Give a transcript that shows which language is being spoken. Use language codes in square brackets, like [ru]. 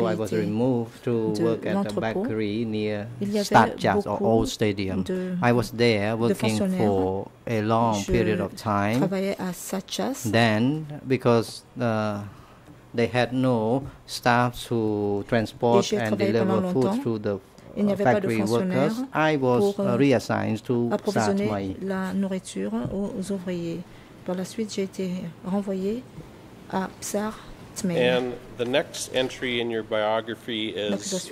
[en] so I was removed to work at a bakery near Stadjas or Old Stadium. I was there working for a long period of time. Then, because they had no staff to transport and deliver food to the [fr] il n'y avait pas de fonctionnaires pour approvisionner la nourriture aux ouvriers. Par la suite, j'ai été renvoyé à Psartmeir. [en] And the next entry in your biography is